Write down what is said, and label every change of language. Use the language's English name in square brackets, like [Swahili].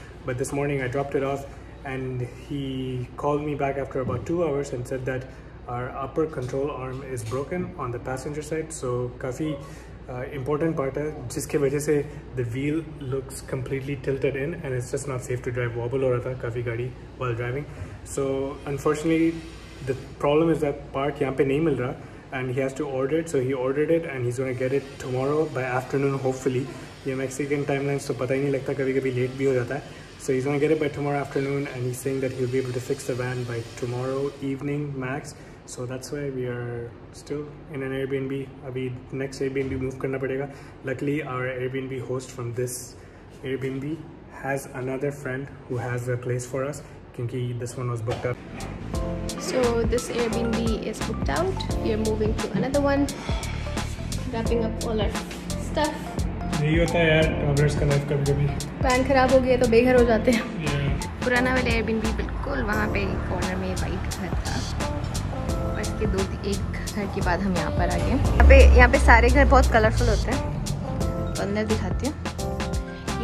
[English] But this morning I dropped it off. And he called me back after about 2 hours and said that our upper control arm is broken on the passenger side. So [Hindi] काफी [English] important part [Hindi] है, जिसके वजह से [English] the wheel looks completely tilted in and it's just not safe to drive. [Hindi] Wobble हो रहा था काफी गाड़ी [English] while driving. So unfortunately the problem is that part [Hindi] यहाँ पे नहीं मिल रहा [English] and he has to order it. So he ordered it and he's gonna get it tomorrow by afternoon hopefully. [Hindi] ये [English] Mexican timelines [Hindi] तो पता ही नहीं लगता, कभी कभी late भी हो जाता है. [English] So he's gonna get it by tomorrow afternoon and he's saying that he'll be able to fix the van by tomorrow evening max. So that's why we are still in an Airbnb. [Hindi] Abhi next Airbnb move karna padega. [English] Luckily our Airbnb host from this Airbnb has another friend who has a place for us, [Hindi] kyunki [English] this one was booked up. So this Airbnb is booked out. We are moving to another one. Wrapping up all our stuff. [Hindi] यही होता है यार travellers का life, कभी कभी pan खराब हो गया तो बेघर हो जाते हैं। पुराना वाला एयरबीएनबी बिल्कुल वहाँ पे कॉर्नर में वाइट घर था, पर इसके दो एक घर के बाद हम यहाँ पर आ गए। यहाँ पे सारे घर बहुत कलरफुल होते हैं, तो अंदर दिखाती हूँ।